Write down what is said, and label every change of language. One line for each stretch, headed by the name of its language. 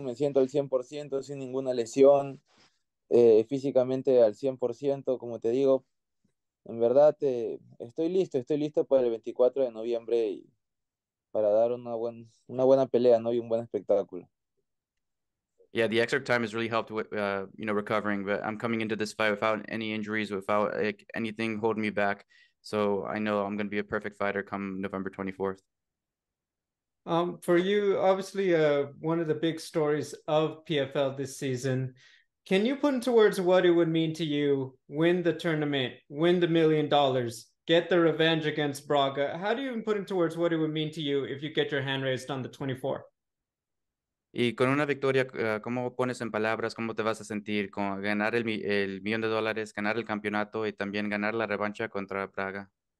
Spanish: Me siento al 100%, sin ninguna lesión, físicamente al 100%, como te digo. En verdad, estoy listo para el 24 de noviembre y para dar una buena pelea, ¿no? Y un buen espectáculo.
English: Yeah, the extra time has really helped with, you know, recovering. But I'm coming into this fight without any injuries, without like, anything holding me back. So I know I'm going to be a perfect fighter come November 24th. For you, obviously, one of the big stories of PFL this season. Can you put into words what it would mean to you win the tournament, win the $1 million, get the revenge against Braga? How do you even put into words what it would mean to you if you get your hand raised on the 24th?
Spanish: Y con una victoria, ¿cómo pones en palabras, cómo te vas a sentir con ganar el millón de dólares, ganar el campeonato y también ganar la revancha contra Praga?